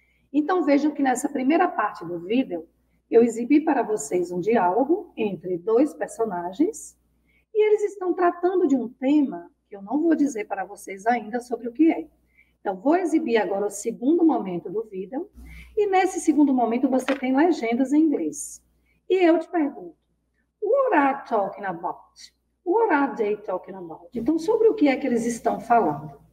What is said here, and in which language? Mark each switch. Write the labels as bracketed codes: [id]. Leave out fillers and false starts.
[pt] Então, vejam que nessa primeira parte do vídeo, eu exibi para vocês um diálogo entre dois personagens e eles estão tratando de um tema que eu não vou dizer para vocês ainda sobre o que é. Então, vou exibir agora o segundo momento do vídeo e nesse segundo momento você tem legendas em inglês. E eu te pergunto, [en] what are you talking about? What are they talking about? [pt] Então, sobre o que é que eles estão falando?